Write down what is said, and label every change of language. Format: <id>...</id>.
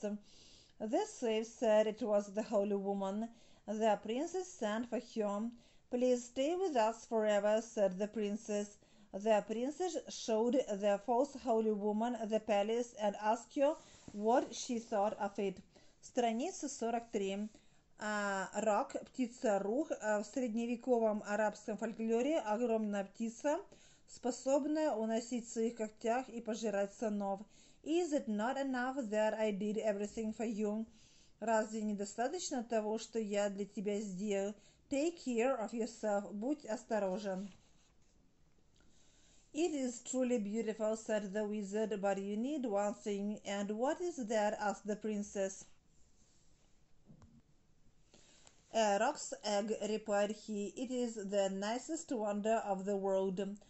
<en>The slave said it was the holy woman. The princess sent for him. Please stay with us forever, said the princess. The princess showed the false holy woman the palace and asked her what she thought of it.</en> <ru>Страница 43. Рак, птица рух, в средневековом арабском фольклоре огромная птица, способная уносить в своих когтях и пожирать сынов.</ru> <en>Is it not enough that I did everything for you?</en> <ru>Разве недостаточно того, что я для тебя сделал?</ru> <en>Take care of yourself.</en> <ru>Будь осторожен.</ru> <en>It is truly beautiful, said the wizard, but you need one thing. And what is that? Asked the princess. A roc's egg, replied he, it is the nicest wonder of the world.</en>